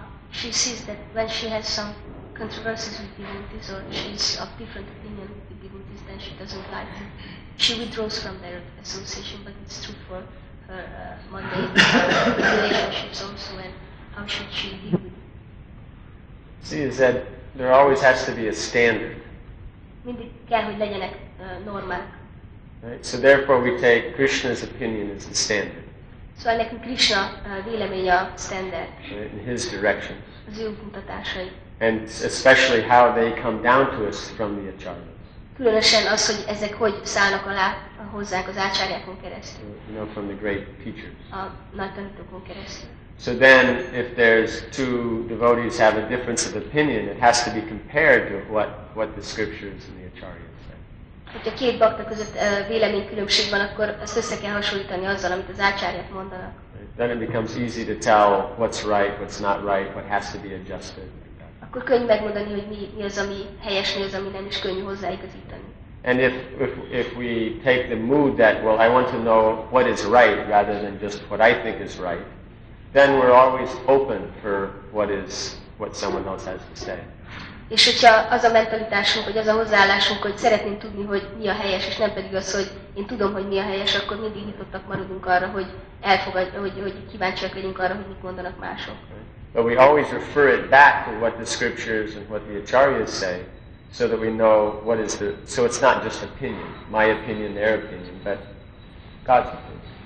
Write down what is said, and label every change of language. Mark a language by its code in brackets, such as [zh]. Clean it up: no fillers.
[en] She sees that when she has some controversies with devotees or she's of different opinion with the devotees, then she doesn't like them. She withdraws from their association, but it's true for her mundane relationships also, and how should she deal with it? See, is that there always has to be a standard. [hu] Mindig kell, hogy legyenek normák. [en] Right? So therefore we take Krishna's opinion as the standard. [hu] So ennek Krishna véleménye a standard. [en] In his directions. [hu] Az ő mutatásai. [en] And especially how they come down to us from the acharyas. [hu] Különösen az, hogy ezek hogy szállnak alá hozzánk az ácsárjákon keresztül. [en] You know, from the great teachers. [hu] A nagy tanítókon keresztül. [en] So then, if there's two devotees have a difference of opinion, it has to be compared to what the scriptures and the acharyas. [hu] Hogyha két bakta között véleménykülönbség van, akkor ezt össze kell hasonlítani azzal, amit az ácsárják mondanak. [en] Then it becomes easy to tell what's right, what's not right, what has to be adjusted. [hu] Akkor könnyű megmondani, hogy mi az, ami helyes, mi az, ami nem, is könnyű hozzáigazítani. [en] And if we take the mood that, well, I want to know what is right rather than just what I think is right, then we're always open for what someone else has to say. [hu] És hogyha az a mentalitásunk, vagy az a hozzáállásunk, hogy szeretném tudni, hogy mi a helyes, és nem pedig az, hogy én tudom, hogy mi a helyes, akkor mindig nyitottak maradunk arra, hogy elfogadjuk, hogy kíváncsiak legyünk arra, hogy mit mondanak mások. [en] But we always refer it back to what the scriptures and what the acharyas say, so that we know what is the, so it's not just opinion, my opinion, their opinion, but God's opinion.